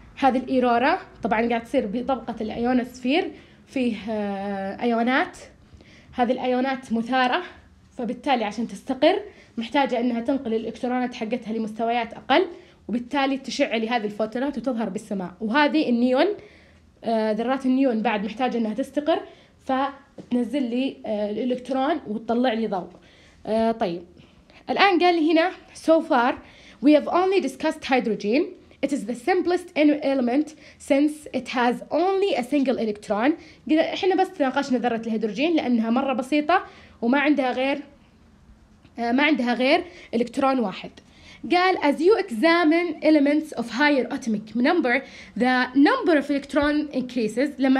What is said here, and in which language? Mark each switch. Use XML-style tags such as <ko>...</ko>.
<ar>هذه الإيرورا طبعاً قاعد تصير بطبقة الأيونوسفير، فيه أيونات، هذه الأيونات مثارة، فبالتالي عشان تستقر محتاجة أنها تنقل الإلكترونات حقتها لمستويات أقل، وبالتالي تشع لهذه الفوتونات وتظهر بالسماء. وهذه النيون، ذرات النيون بعد محتاجة أنها تستقر فتنزل لي الإلكترون وتطلع لي ضوء. طيب الآن قال لي هنا</ar> <en>so far we have only discussed hydrogen. It is the simplest element since it has only a single electron.</en> <ar>إحنا بس تناقشنا ذرة الهيدروجين لأنها مرة بسيطة وما عندها غير إلكترون واحد. قال</ar> <en>as you examine elements of higher atomic number, the number of electron increases.</en>